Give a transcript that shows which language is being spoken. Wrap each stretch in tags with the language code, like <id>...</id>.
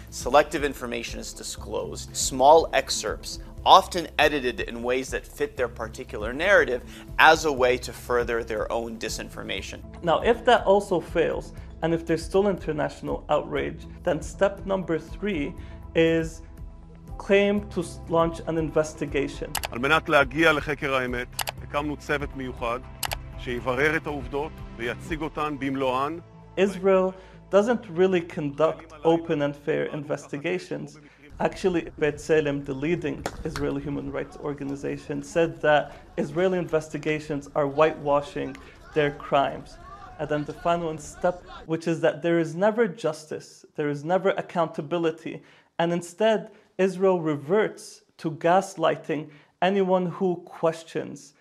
<en>Selective information is disclosed. Small excerpts, often edited in ways that fit their particular narrative, as a way to further their own disinformation. Now, if that also fails, and if there's still international outrage, then step number three is claim to launch an investigation.</en> <he>על מנת להגיע לחקר האמת, הקמנו צוות מיוחד שיברר את העובדות ויציג אותן במלואן.</he> <en>Israel doesn't really conduct open and fair investigations. Actually, B'Tselem, the leading Israeli human rights organization, said that Israeli investigations are whitewashing their crimes. And then the final step, which is that there is never justice, there is never accountability, and instead, Israel reverts to gaslighting anyone who questions.</en>